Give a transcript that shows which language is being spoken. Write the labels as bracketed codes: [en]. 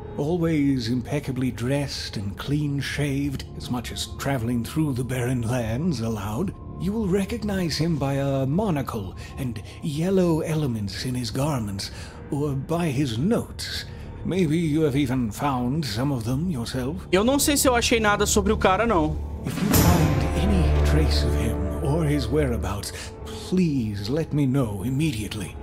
[en] Always impeccably dressed and clean-shaved, as much as traveling through the barren lands allowed, you will recognize him by a monocle and yellow elements in his garments, or by his notes. Maybe you have even found some of them yourself? [pt] Eu não sei se eu achei nada sobre o cara, não. [en] If you find any trace of him or his whereabouts, please let me know immediately.